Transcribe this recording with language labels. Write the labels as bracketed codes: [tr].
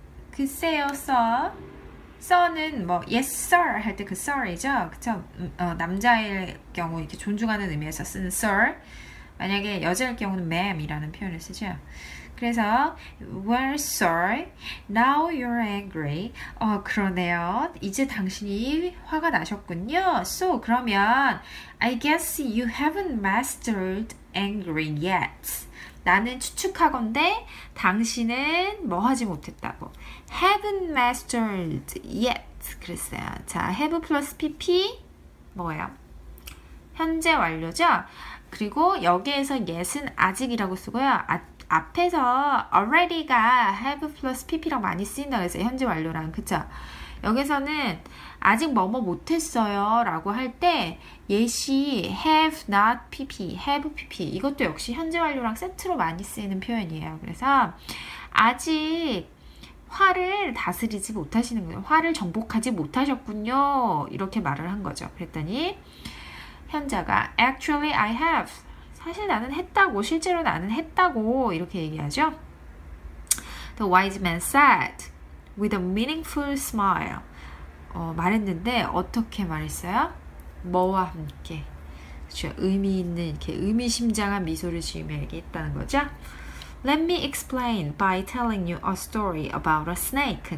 [ko] 글쎄요, sir. sir는 뭐 yes sir 할때그 sir이죠. 그쵸? 남자일 경우 이렇게 존중하는 의미에서 쓰는 sir. 만약에 여자일 경우는 ma'am이라는 표현을 쓰죠. 그래서 [en] we're sore. Now you're angry. [ko] 그러네요. 이제 당신이 화가 나셨군요. [en] So [ko] 그러면 [en] I guess you haven't mastered angry yet. [ko] 나는 추측하건대 당신은 뭐 하지 못했다고. [en] Haven't mastered yet. [ko] 그랬어요. 자, [en] have plus pp [ko] 뭐예요? 현재 완료죠? 그리고 여기에서 yet은 아직이라고 쓰고요. 앞에서 already가 have plus pp라고 많이 쓰인다 그랬어요. 현재 완료랑. 그쵸? 여기서는 아직 뭐뭐 못했어요 라고 할 때, yet이 have not pp, have pp. 이것도 역시 현재 완료랑 세트로 많이 쓰이는 표현이에요. 그래서, 아직 화를 다스리지 못하시는 거예요. 화를 정복하지 못하셨군요. 이렇게 말을 한 거죠. 그랬더니, 현자가, [en] actually I have. [ko] 사실 나는 했다고, 실제로 나는 했다고. 이렇게 얘기하죠. [en] The wise man said, with a meaningful smile. [ko] 말했는데 어떻게 말했어요? 뭐와 함께? 그렇죠? 의미 있는 이렇게 의미심장한 미소를 지으며 얘기했다는 거죠. [en] Let me explain by telling you a story about a snake.